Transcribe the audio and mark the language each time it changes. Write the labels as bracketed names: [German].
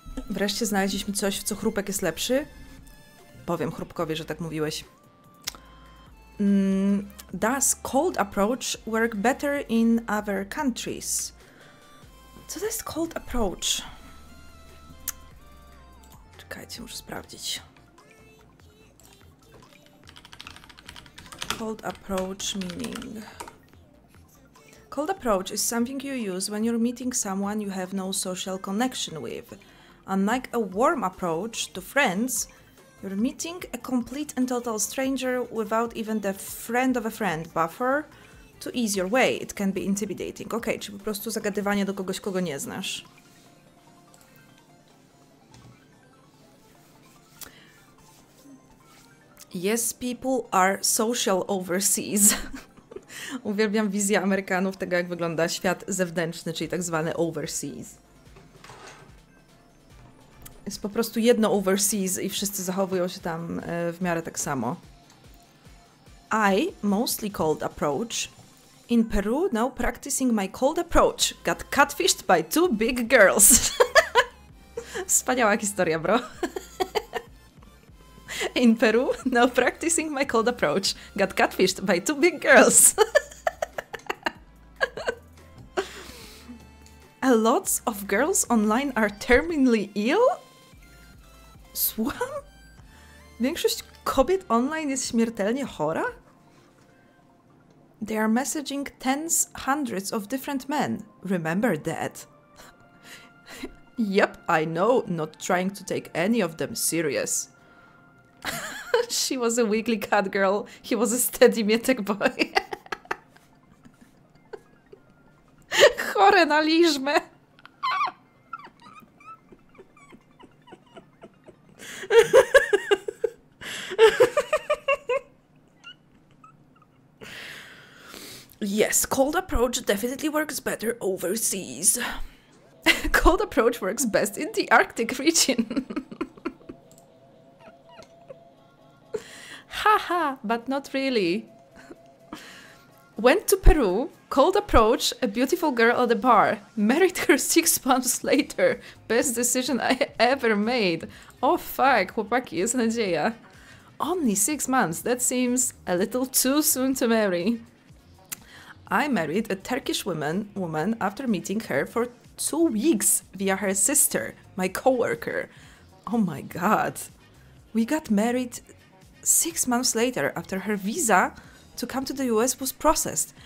[Polish] Wreszcie znaleźliśmy coś, w co chrupek jest lepszy. Powiem chrupkowi, że tak mówiłeś. [English] Does cold approach work better in other countries? [Polish] Co to jest cold approach? Czekajcie, muszę sprawdzić. [English] Cold approach meaning. Cold approach is something you use when you're meeting someone you have no social connection with. Unlike a warm approach to friends, you're meeting a complete and total stranger without even the friend of a friend buffer to ease your way. It can be intimidating. [Polish] Okej, czy po prostu zagadywanie do kogoś, kogo nie znasz. [English] Yes, people are social overseas. [Polish] Uwielbiam wizję Amerykanów tego, jak wygląda świat zewnętrzny, czyli tak zwany overseas. Jest po prostu jedno overseas i wszyscy zachowują się tam w miarę tak samo. [English] I mostly cold approach. In Peru, now practicing my cold approach. Got catfished by two big girls. [Polish] Wspaniała historia, bro. [English] In Peru, now practicing my cold approach. Got catfished by two big girls. A lot of girls online are terminally ill? [Polish] Słucham? Większość kobiet online jest śmiertelnie chora? [English] They are messaging tens, hundreds of different men. Remember that? Yep, I know, not trying to take any of them serious. She was a wiggly cat girl, he was a steady mietek boy. [Polish] Chore na liżmę! [English] Yes, cold approach definitely works better overseas. Cold approach works best in the Arctic region. Haha, but not really. Went to Peru, cold approach, a beautiful girl at the bar. Married her 6 months later. Best decision I ever made. Oh fuck, [Polish] chłopaki, jest nadzieja. [English] Only 6 months, that seems a little too soon to marry. I married a Turkish woman after meeting her for 2 weeks via her sister, my coworker. Oh my god. We got married 6 months later after her visa to come to the US was processed.